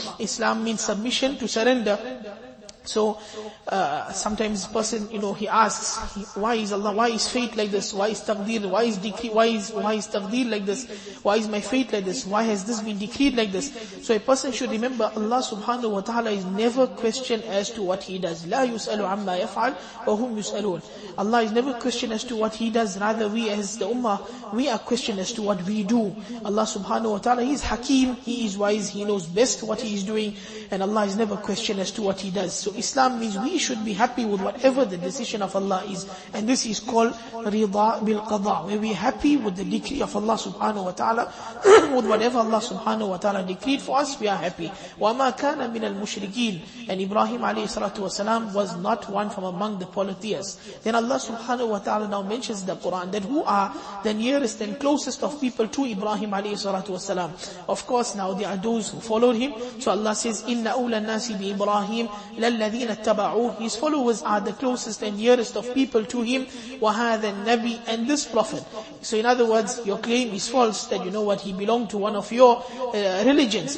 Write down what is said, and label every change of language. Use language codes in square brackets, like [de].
[en] Islam means submission, to surrender. So sometimes person, you know, he asks, why is Allah, why is fate like this? Why is taqdeer, why is decree, why is taqdeer like this? Why is my fate like this? Why has this been decreed like this? So a person should remember Allah subhanahu wa ta'ala is never questioned as to what he does. [ar] لا يسألوا عما يفعل وهم يسألون. [en] Allah is never questioned as to what he does. Rather, we as the ummah, we are questioned as to what we do. Allah subhanahu wa ta'ala, he is hakeem, he is wise, he knows best what he is doing, and Allah is never questioned as to what he does. So Islam means we should be happy with whatever the decision of Allah is. And this is called Rida bil Qada, where we are happy with the decree of Allah subhanahu wa ta'ala. With whatever Allah subhanahu wa ta'ala decreed for us, we are happy. [ar] وَمَا كَانَ مِنَ الْمُشْرِكِينَ. [en] And Ibrahim alayhi salatu wasalam was not one from among the polytheists. Then Allah subhanahu wa ta'ala now mentions the Quran that who are the nearest and closest of people to Ibrahim alayhi salatu wasalam. Of course, now they are those who followed him. So Allah says, [ar] إِنَّ أُولَى النَّاسِ بِإِبْرَاهِيمِ لَلَّذِينَ اتَّبَعُوهُ. [en] His followers are the closest and nearest of people to him. [ar] وَهَذَا النَّبِي. [en] And this prophet. So in other words, your claim is false that, you know what, he belonged to one of your religions.